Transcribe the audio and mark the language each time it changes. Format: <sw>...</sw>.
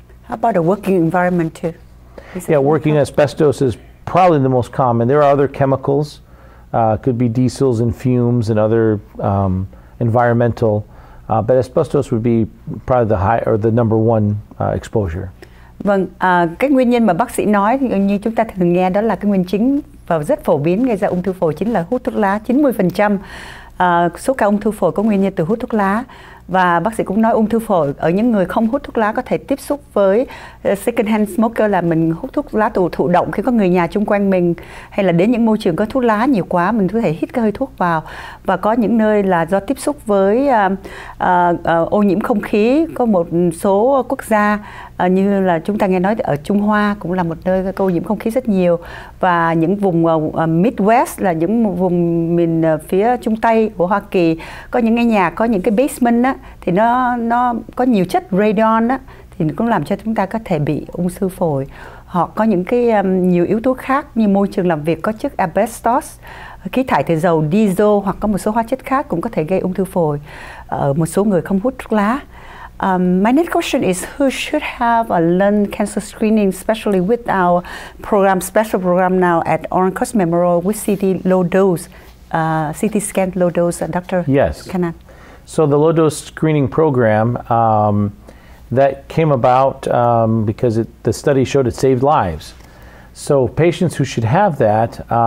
<en>How about a working environment too? Working asbestos is probably the most common. There are other chemicals, could be diesels and fumes and other environmental, but asbestos would be probably the number one exposure.</en> <vi>Vâng, cái nguyên nhân mà bác sĩ nói như chúng ta thường nghe đó là cái nguyên chính và rất phổ biến gây ra ung thư phổi chính là hút thuốc lá. 90% số ca ung thư phổi có nguyên nhân từ hút thuốc lá. Và bác sĩ cũng nói ung thư phổi ở những người không hút thuốc lá có thể tiếp xúc với</vi> <en>second hand smoker,</en> <vi>là mình hút thuốc lá thụ động khi có người nhà chung quanh mình hay là đến những môi trường có thuốc lá nhiều quá mình có thể hít cái hơi thuốc vào. Và có những nơi là do tiếp xúc với ô nhiễm không khí, có một số quốc gia như là chúng ta nghe nói ở Trung Hoa cũng là một nơi ô nhiễm không khí rất nhiều. Và những vùng Midwest là những vùng miền phía Trung Tây của Hoa Kỳ có những cái nhà có những cái basement á, thì nó có nhiều chất radon á, thì cũng làm cho chúng ta có thể bị ung thư phổi. Họ có những cái nhiều yếu tố khác như môi trường làm việc có chất asbestos, khí thải từ dầu diesel hoặc có một số hóa chất khác cũng có thể gây ung thư phổi ở một số người không hút thuốc lá.</vi> <en>My next question is, who should have a lung cancer screening, especially with our program, special program now at Oncos Memorial with CT low dose, CT scan low dose, Dr. Kanan? Yes. So the low dose screening program, that came about because the study showed it saved lives. So patients who should have that,</en>